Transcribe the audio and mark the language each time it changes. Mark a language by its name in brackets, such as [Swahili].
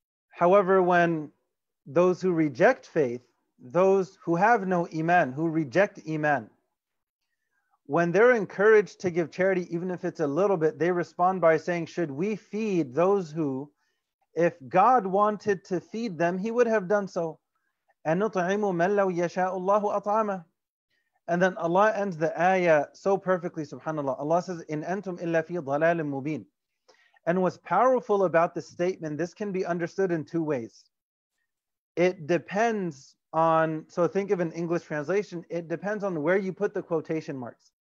[English] However, when those who reject faith, those who have no iman, who reject iman, when they're encouraged to give charity, even if it's a little bit, they respond by saying, should we feed those who, if God wanted to feed them, he would have done so. [Arabic] أَنُطْعِمُ مَنْ لَوْ يَشَاءُ اللَّهُ أَطْعَمَ. [English] And then Allah ends the ayah so perfectly, subhanAllah. Allah says, [Arabic] إِنْ أَنْتُمْ إِلَّا فِي ضَلَالٍ مُبِينٍ. [English] And what's powerful about this statement, this can be understood in two ways. It depends on, so think of an English translation, it depends on where you put the quotation marks.